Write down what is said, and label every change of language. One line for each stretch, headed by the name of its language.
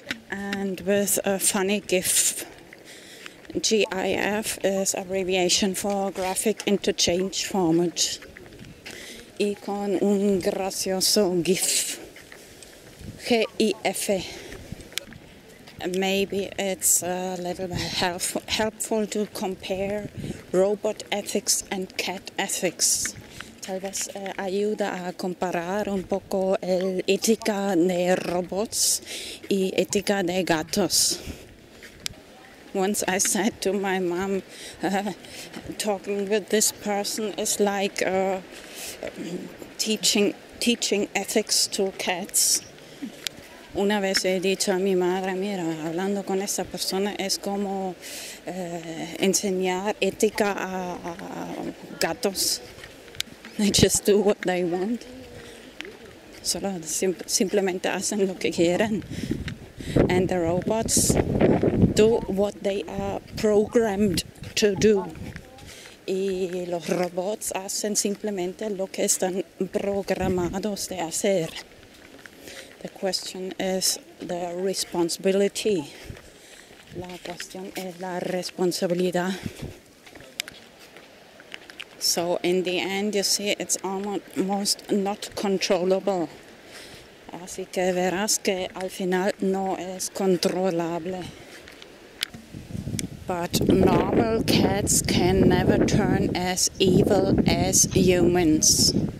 English: And with a funny GIF, GIF is abbreviation for Graphic Interchange Format.
Spanish: Y con un gracioso GIF, GIF.
English: Maybe it's a little helpful to compare robot ethics and cat ethics.
Spanish: Tal vez ayuda a comparar un poco el ética de robots y ética de gatos.
English: Once I said to my mom, talking with this person is like teaching ethics to cats.
Spanish: Una vez he dicho a mi madre, mira, hablando con esa persona es como enseñar ética a gatos.
English: They just do what they want.
Spanish: Solo simplemente hacen lo que quieren.
English: and the robots do what they are programmed to do.
Spanish: Y los robots hacen simplemente lo que están programados de hacer.
English: The question is the responsibility.
Spanish: La cuestión es la responsabilidad.
English: So in the end, you see, it's almost not controllable.
Spanish: Así que verás que al final no es controlable.
English: But normal cats can never turn as evil as humans.